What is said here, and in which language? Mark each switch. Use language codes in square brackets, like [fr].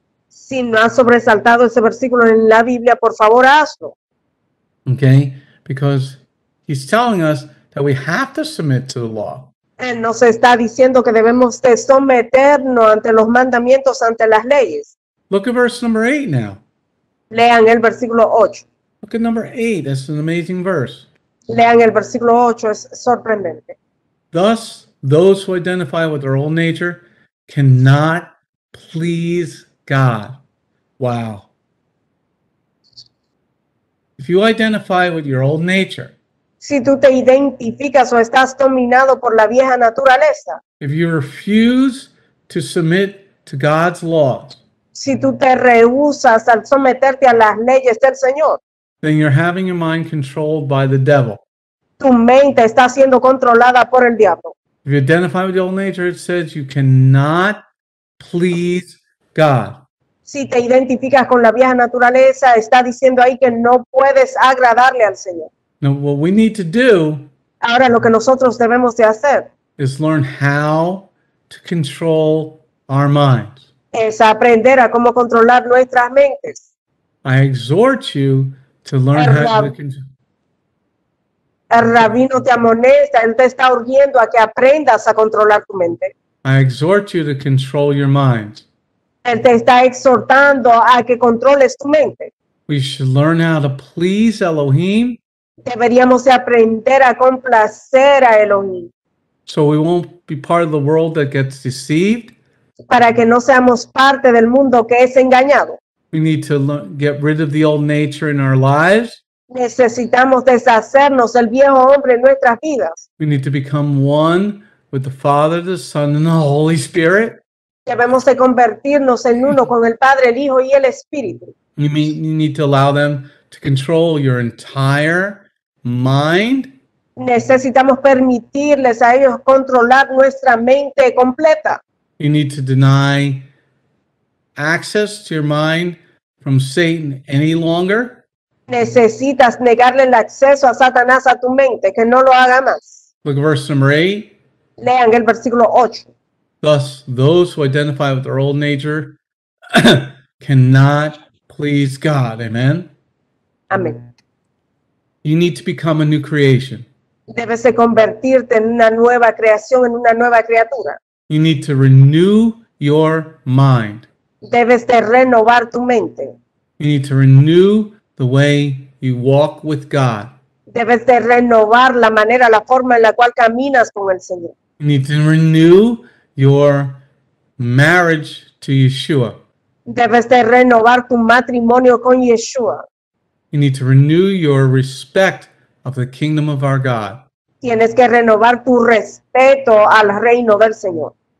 [es] Si no has sobresaltado ese versículo en la Biblia, por favor, hazlo. [en] Okay, because he's telling us that we have to submit to the law. [es] Él nos está diciendo que debemos de someternos ante los mandamientos, ante las leyes. [en] Look at verse number 8 now. [es] Lean el versículo 8. [en] Look at number 8, that's an amazing verse. [es] Lean el versículo 8, es sorprendente. [en] Thus, those who identify with their old nature cannot please God. Wow. If you identify with your old nature, [es] si tú te identificas o estás dominado por la vieja naturaleza, [en] if you refuse to submit to God's laws, [es] si tú te rehusas al someterte a las leyes del Señor, [en] then you're having your mind controlled by the devil. [es] Tu mente está siendo controlada por el diablo. [en] If you identify with the old nature, it says you cannot please God. [es] Si te identificas con la vieja naturaleza, está diciendo ahí que no puedes agradarle al Señor. [en] Now, what we need to do, [es] ahora lo que nosotros debemos de hacer, [en] is learn how to control our minds. [es] Es aprender a cómo controlar nuestras mentes. [en] I exhort you to learn how to control. [es] El rabino te amonesta, él te está urgiendo a que aprendas a controlar tu mente. [en] I exhort you to control your mind. [es] Él te está exhortando a que controles tu mente. [en] We should learn how to please Elohim. [es] Deberíamos aprender a complacer a Elohim. [en] So we won't be part of the world that gets deceived. [es] Para que no seamos parte del mundo que es engañado. [en] We need to get rid of the old nature in our lives. [es] Necesitamos deshacernos del viejo hombre en nuestras vidas. [en] We need to become one with the Father, the Son, and the Holy Spirit. [es] Debemos de convertirnos en uno con el Padre, el Hijo y el Espíritu. [en] You need to allow them to control your entire mind. [es] Necesitamos permitirles a ellos controlar nuestra mente completa. [en] You need to deny access to your mind from Satan any longer. [es] Necesitas negarle el acceso a Satanás a tu mente, que no lo haga más. [en] Look at verse number 8. [es] Lean el versículo 8. [en] Thus, those who identify with their old nature cannot please God. Amen? Amen. You need to become a new creation. [es] Debes de convertirte en una nueva creación, en una nueva criatura. [en] You need to renew your mind. [es] Debes de renovar tu mente. [en] You need to renew the way you walk with God. [es] Debes de renovar la manera, la forma en la cual caminas con el Señor. [en] You need to renew your marriage to Yeshua. [es] Debes de renovar tu matrimonio con Yeshua. [en] You need to renew your respect of the kingdom of our God. [es] Tienes que renovar tu respeto al reino del Señor.